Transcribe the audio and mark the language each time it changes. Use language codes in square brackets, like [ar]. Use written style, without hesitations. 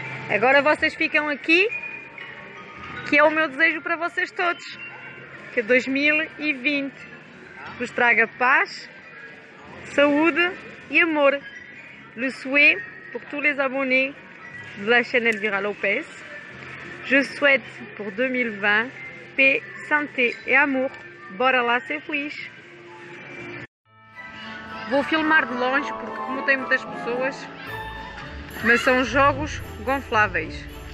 [pt] Agora vocês ficam aqui, que é o meu desejo para vocês todos, que 2020 vos traga paz, saúde e amor. [fr] Le souhait pour tous les abonnés de la chaîne Elvira Lopes. Je souhaite pour 2020 paix, santé et amour. [pt] Bora lá ser feliz. Vou filmar de longe porque como tem muitas pessoas. Mas são jogos gonfláveis.